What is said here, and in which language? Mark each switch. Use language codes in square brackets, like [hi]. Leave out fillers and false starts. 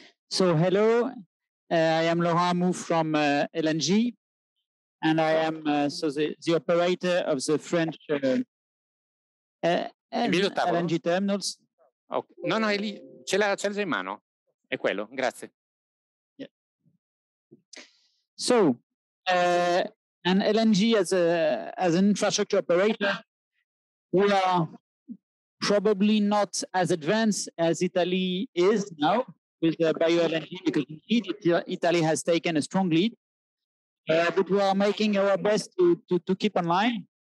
[en] So, hello, I am Laurent Amaud from LNG, and I am the operator of the French LNG terminals. Okay. [it] No, è lì, ce l'hai già in mano, è quello, grazie. [en] Yeah. So, and LNG as an infrastructure operator, we are probably not as advanced as Italy is now with the bio-LNG, because indeed Italy has taken a strong lead, but we are making our best to keep online.